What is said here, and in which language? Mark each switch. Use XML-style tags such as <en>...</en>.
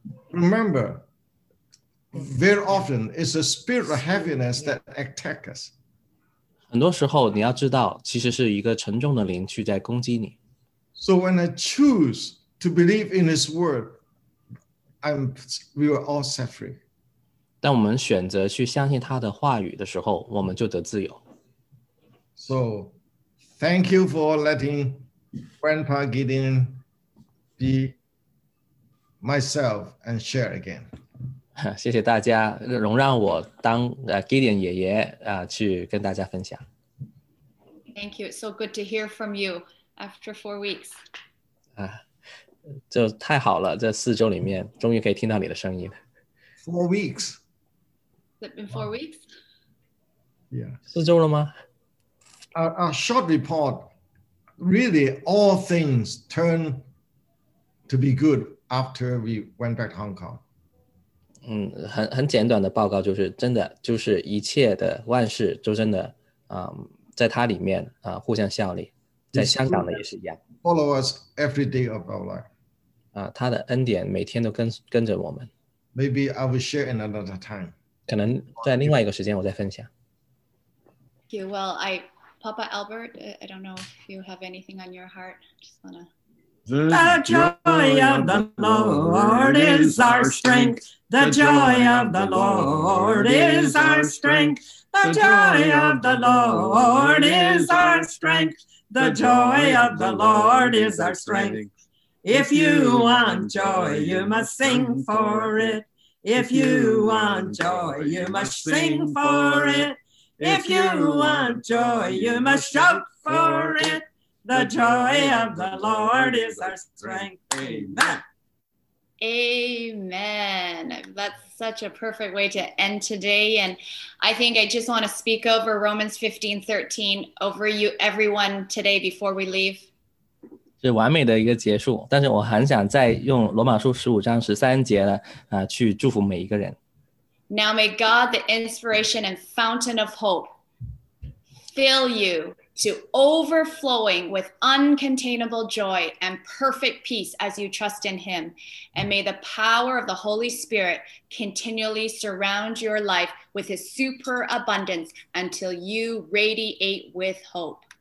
<en>Remember, very often it's a spirit of heaviness that attack us.</en> <zh>很多时候你要知道其实是一个沉重的灵去在攻击你。</zh> <en>So when I choose to believe in his word, we are all set free.</en> <zh>当我们选择去相信他的话语的时候我们就得自由。</zh> <en>So, thank you for letting Grandpa Gideon be myself and share again.</en> <zh>谢谢大家，容让我当Gideon爷爷去跟大家分享。</zh> <en>Thank you. It's so good to hear from you after 4 weeks.</en> <zh>就太好了，这四周里面终于可以听到你的声音。</zh> <en>4 weeks. Has it been 4 weeks? Yeah.</en> <zh>四周了吗？</zh> <en>A short report. Really, all things turned to be good after we went back to Hong Kong.</en> <zh>很简短的报告就是真的，就是一切的万事都真的在它里面互相效力，在香港的也是一样。</zh> <en>Follow us every day of our life.</en> <zh>他的恩典每天都跟着我们。</zh> <en>Maybe I will share in another time.</en> <zh>可能在另外一个时间我再分享。</zh> <en>Thank you. Well, Papa Albert, I don't know if you have anything on your heart. Just wanna. The joy of the Lord is our strength. The joy of the Lord is our strength. The joy of the Lord is our strength. The joy of the Lord is our strength. If you want joy, you must sing for it. If you want joy, you must sing for it. If you want joy, you must shout for it. The joy of the Lord is our strength. Amen. Amen. That's such a perfect way to end today. And I think I just want to speak over Romans 15, 13 over you, everyone today before we leave.</en> <zh>是完美的一个结束, 但是我很想再用罗马书15章13节呢, 啊, 去祝福每一个人。</zh> <en>Now may God, the inspiration and fountain of hope, fill you to overflowing with uncontainable joy and perfect peace as you trust in him. And may the power of the Holy Spirit continually surround your life with his super abundance until you radiate with hope.</en>